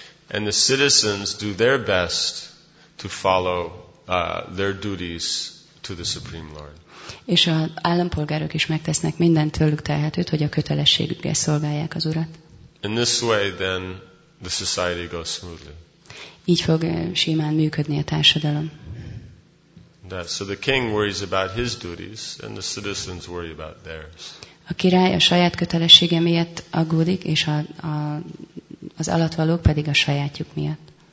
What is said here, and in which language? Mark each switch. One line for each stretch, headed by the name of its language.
English: And the citizens do their best to follow their duties to the Supreme Lord.
Hungarian: És az állampolgárok is megtesznek minden tőlük telhetőt, hogy a kötelességükkel szolgálják az urat.
English: In this way, then, the society goes smoothly.
Hungarian: Így fog simán működni a társadalom.
English: So the king worries about his duties, and the citizens worry about theirs.
Hungarian: A király a saját kötelessége miatt aggódik, és az alattvalók pedig a sajátjuk miatt.